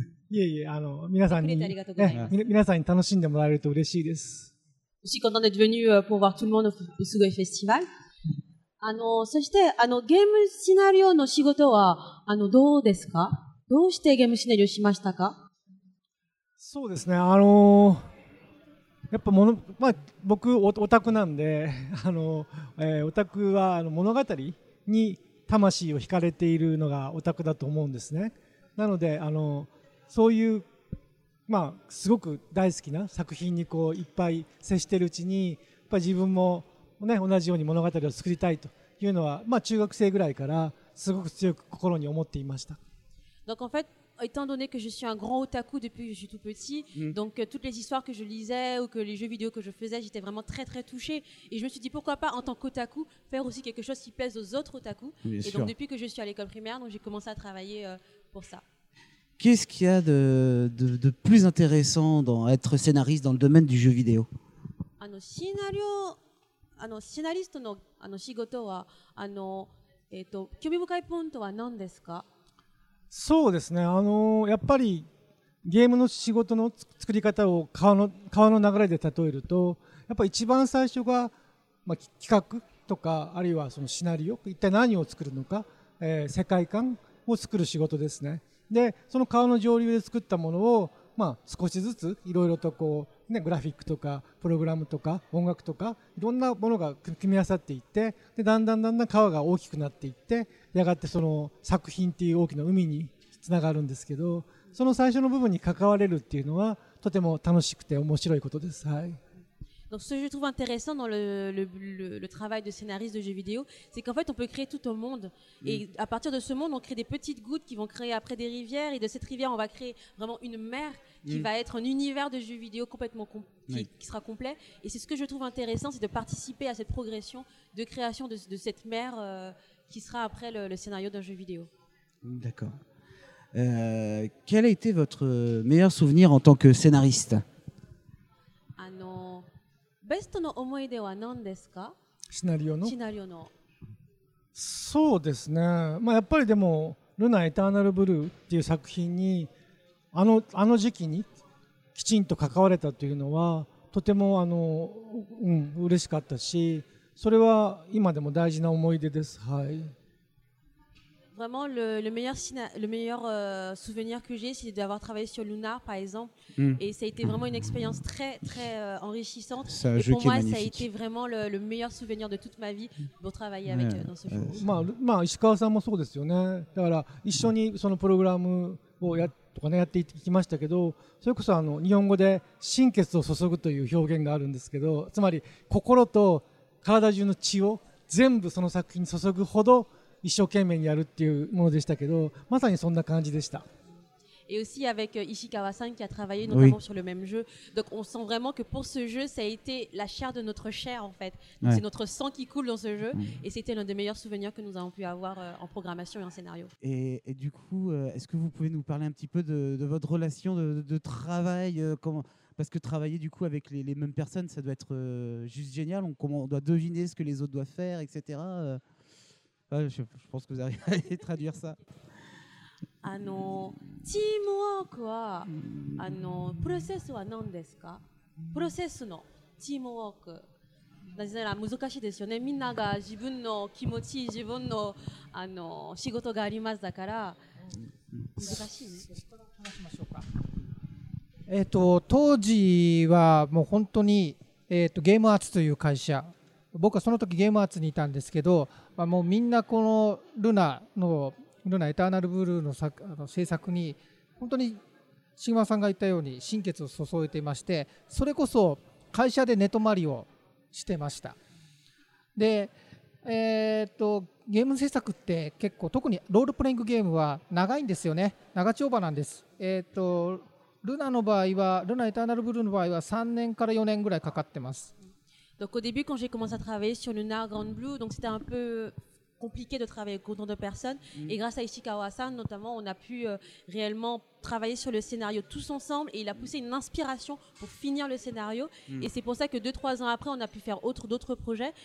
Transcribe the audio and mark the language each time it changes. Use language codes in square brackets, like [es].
[ja] いえいえ皆さんに、ね、皆さんに楽しんでもらえると嬉しいです。 [fr] Je suis content d'être venu pour voir tout le monde au Sugoi Festival. [ja] そしてゲームシナリオの仕事はどうですか？どうしてゲームシナリオしましたか？そうですね、やっぱ僕オタクなんで、オタクは物語に魂を惹かれているのがオタクだと思うんですね。なのでそういう、すごく大好きな作品にこういっぱい接しているうちにやっぱ自分も、ね、同じように物語を作りたいというのは、中学生ぐらいからすごく強く心に思っていました。 [fr] Donc en fait... Étant donné que je suis un grand otaku depuis que je suis tout petit, donc toutes les histoires que je lisais ou que les jeux vidéo que je faisais, j'étais vraiment très très touchée. Et je me suis dit pourquoi pas en tant qu'otaku faire aussi quelque chose qui pèse aux autres otaku. Bien et donc depuis que je suis à l'école primaire, donc j'ai commencé à travailler pour ça. Qu'est-ce qu'il y a de plus intéressant dans être scénariste dans le domaine du jeu vidéo ? [ja] Scénariste の仕事は興味深いポイントは何ですか？そうですね、やっぱりゲームの仕事の作り方を川の流れで例えるとやっぱり一番最初が、企画とかあるいはそのシナリオ一体何を作るのか、世界観を作る仕事ですね。でその川の上流で作ったものを、少しずついろいろとこう、ね、グラフィックとかプログラムとか音楽とかいろんなものが組み合わさっていってでだんだん川が大きくなっていってやがてその作品っていう大きな海に繋つながるんですけど、その最初の部分に関われるっていうのはとても楽しくて面白いことです。はい。 [fr] Donc ce que je trouve intéressant dans le travail de scénariste de jeux vidéo, c'est qu'en fait on peut créer tout un monde. Et à partir de ce monde, on crée des petites gouttes qui vont créer après des rivières. Et de cette rivière, on va créer vraiment une mer qui va être un univers de jeux vidéo complètement qui sera complet. Et c'est ce que je trouve intéressant, c'est de participer à cette progression de création de cette mer qui sera après le scénario d'un jeu vidéo. D'accord. Quel a été votre meilleur souvenir en tant que scénariste ? [ja] ベストの思い出は何ですか？シナリオの？シナリオの。そうですね。まあやっぱりでも、ルナ・エターナル・ブルーっていう作品に、あの時期にきちんと関われたというのは、とても嬉しかったし、それは今でも大事な思い出です。はい。 [fr] Vraiment, le meilleur souvenir que j'ai, c'est d'avoir travaillé sur Lunar, par exemple. Et ça a été vraiment une expérience très, très enrichissante. C'est un jeu qui est magnifique. Et pour moi, ça a été vraiment le meilleur souvenir de toute ma vie pour travailler avec dans ce jeu. [ja] まあ、石川さんもそうですよね。だから、一緒にそのプログラムをやっていきましたけど、それこそ日本語で心血を注ぐという表現があるんですけど、つまり心と体中の血を全部その作品に注ぐほど一生懸命にやるっていうものでしたけど、まさにそんな感じでした。 [fr] Et aussi avec Ishikawa-san qui a travaillé notamment sur le même jeu. Donc on sent vraiment que pour ce jeu, ça a été la chair de notre chair en fait. C'est notre sang qui coule dans ce jeu. Et c'était l'un des meilleurs souvenirs que nous avons pu avoir en programmation et en scénario. Et du coup, est-ce que vous pouvez nous parler un petit peu de votre relation de travail parce que travailler du coup avec les mêmes personnes, ça doit être juste génial. On doit deviner ce que les autres doivent faire, etc. Je pense que vous arrivez à traduire ça. [ja] Teamwork は、プロセスは何ですか？プロセスのチームワーク。なぜなら難しいですよね。みんなが自分の気持ち、自分の、仕事がありますだから難しいですよ。話しましょうか。当時はもう本当に、ゲームアーツという会社、僕はその時ゲームアーツにいたんですけど、まあ、もうみんなこのルナエターナルブルー の制作に本当にシグマさんが言ったように心血を注いでいまして、それこそ会社で寝泊まりをしてました。で、ゲーム制作って結構特にロールプレイングゲームは長いんですよね。長丁場なんです。ルナエターナルブルーの場合は3年から4年ぐらいかかってます。 [fr] Donc au début, quand j'ai commencé à travailler sur Lunar Grand Blue, donc c'était un peu compliqué de travailler avec autant de personnes. Et grâce à Ishikawa-san, notamment, on a pu réellement travailler sur le scénario tous ensemble. Et il a poussé une inspiration pour finir le scénario. Et c'est pour ça que 2-3 ans après, on a pu faire d'autres projets.